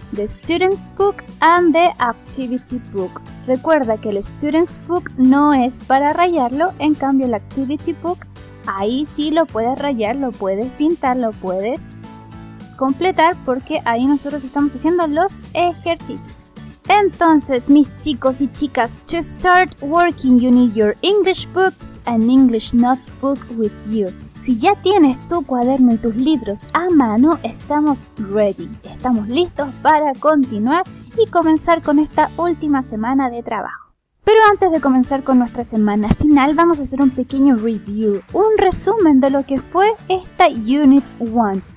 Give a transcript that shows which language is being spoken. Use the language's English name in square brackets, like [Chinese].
[English] The Student's Book and the Activity Book. [Spanish] Recuerda que el Student's Book no es para rayarlo, en cambio el Activity Book, ahí sí lo puedes rayar, lo puedes pintar, lo puedes completar porque ahí nosotros estamos haciendo los ejercicios. Entonces, mis chicos y chicas, [English] to start working you need your English books and English notebook with you. [Spanish] Si ya tienes tu cuaderno y tus libros a mano, estamos ready. Estamos listos para continuar y comenzar con esta última semana de trabajo. Pero antes de comenzar con nuestra semana final, vamos a hacer un pequeño review, un resumen de lo que fue esta Unit 1.